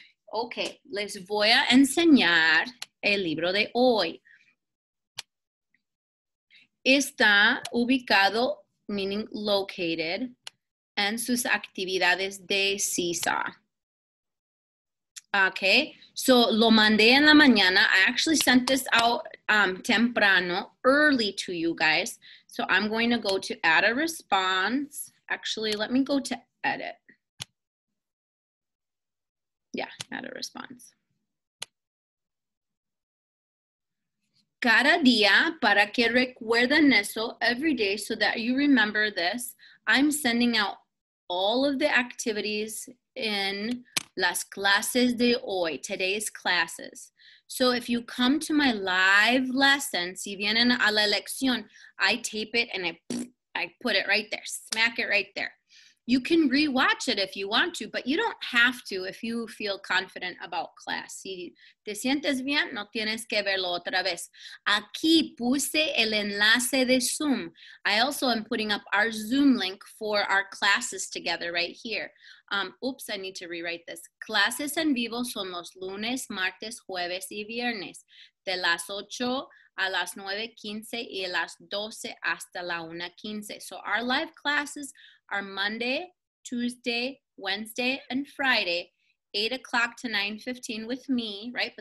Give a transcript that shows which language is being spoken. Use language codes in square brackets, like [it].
[es] Okay, les voy a enseñar el libro de hoy. Está ubicado, [en] meaning located, [es] en sus actividades de CISA. Okay, so lo mandé en la mañana. [en] I actually sent this out temprano, early to you guys. So I'm going to go to add a response. Actually, let me go to edit. Yeah, add a response. [es] Cada día, para que recuerden eso, [en] every day, so that you remember this, I'm sending out all of the activities in [es] las clases de hoy, [en] today's classes. So if you come to my live lesson, [es] si vienen a la lección, [en] I tape it and I put it right there, smack it right there. You can rewatch it if you want to, but you don't have to if you feel confident about class. [es] Si te sientes bien, no tienes que verlo otra vez. Aquí puse el enlace de Zoom. [en] I also am putting up our Zoom link for our classes together right here. Oops, I need to rewrite this. [es] Clases en vivo son los lunes, martes, jueves y viernes. De las 8 a las 9:15 y a las 12 hasta la 1:15. [en] So our live classes are Monday, Tuesday, Wednesday, and Friday, 8 o'clock to 9:15 with me, right?